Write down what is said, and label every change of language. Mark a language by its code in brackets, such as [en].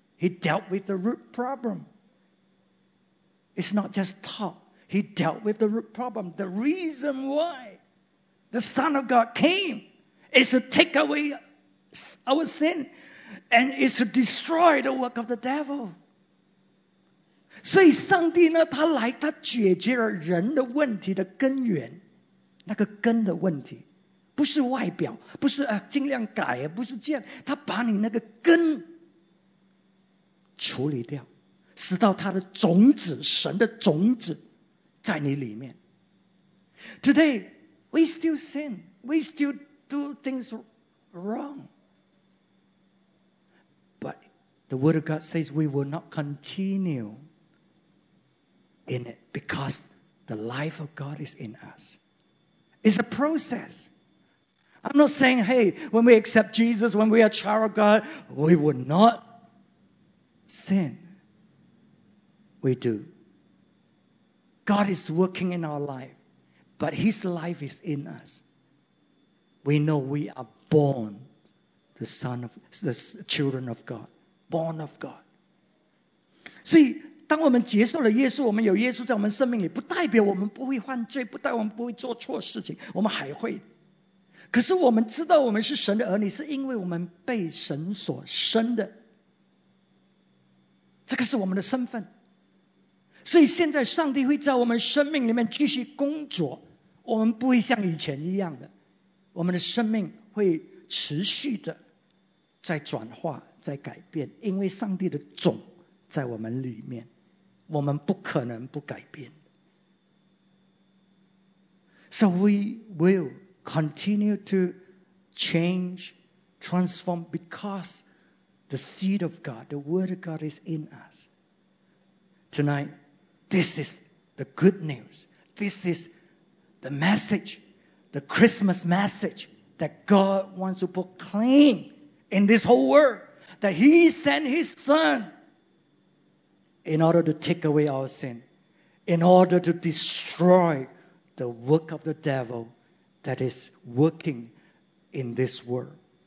[en] He dealt with the root problem. It's not just talk. He dealt with the root problem. The reason why the Son of God came is to take away our sin. And is to destroy the work of the devil. [zh] 所以上帝呢，他来，他解决了人的问题的根源，那个根的问题，不是外表，不是啊，尽量改，不是这样，他把你那个根处理掉，使到他的种子，神的种子在你里面。 [en] Today, we still sin. We still do things wrong. The Word of God says we will not continue in it because the life of God is in us. It's a process. I'm not saying, hey, when we accept Jesus, when we are child of God, we will not sin. We do. God is working in our life, but His life is in us. We know we are born the son of the children of God, born of God. [zh] 所以当我们接受了耶稣，我们有耶稣在我们生命里，不代表我们不会犯罪，不代表我们不会做错事情，我们还会。可是我们知道我们是神的儿女，是因为我们被神所生的，这个是我们的身份。所以现在上帝会在我们生命里面继续工作，我们不会像以前一样的，我们的生命会持续的在转化，在改变，因为上帝的种在我们里面，我们不可能不改变。 [en] So we will continue to change, transform because the seed of God, the word of God is in us. Tonight, this is the good news. This is the message, the Christmas message that God wants to proclaim in this whole world, that He sent His Son in order to take away our sin, in order to destroy the work of the devil that is working in this world.